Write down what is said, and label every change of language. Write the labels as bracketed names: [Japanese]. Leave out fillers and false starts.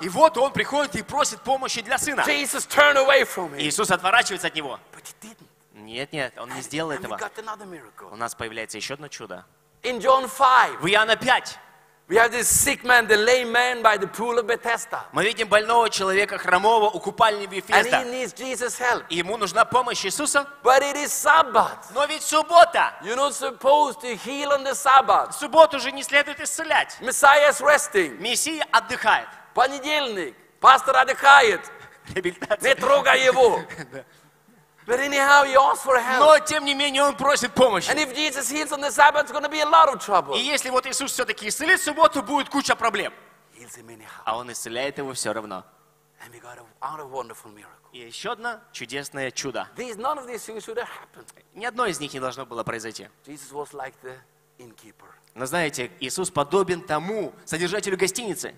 [Russian] И вот он приходит и просит помощи для сына. [English] Jesus turned away from him. [Russian] Иисус отворачивается от него. [English] But he didn't. [Russian] Нет, нет, он не сделал [English] and [Russian] этого. [English] We got another miracle. [Russian] У нас появляется еще одно чудо. [English] In John 5. [Russian] В Иоанна 5. [English] We have this sick man, the lame man by the pool of Bethesda. [Russian] Мы видим больного человека хромого у купальни Бефеста. [English] And he needs Jesus' help. [Russian] И ему нужна помощь Иисуса. [English] But it is Sabbath. [Russian] Но ведь суббота. [English] You're not supposed to heal on the Sabbath. [Russian] Субботу же не следует исцелять. [English] Messiah is resting. [Russian] Мессия отдыхает. Понедельник. Пастор отдыхает. Реабилитация. Не трогай его. [English] But anyhow, he asks for help. [Russian] Но тем не менее он просит помощи. [English] And if Jesus heals on the Sabbath, it's going to be a lot of trouble. [Russian] И если вот Иисус все-таки исцелит в субботу, будет куча проблем. [English] Heals him anyhow. [Russian] А он исцеляет его все равно. [English] And we got a wonderful miracle. [Russian] И еще одно чудесное чудо. [English] None of these things should have happened. [Russian] Ни одно из них не должно было произойти. [English] Jesus was like the innkeeper. [Russian] Но знаете, Иисус подобен тому содержателю гостиницы.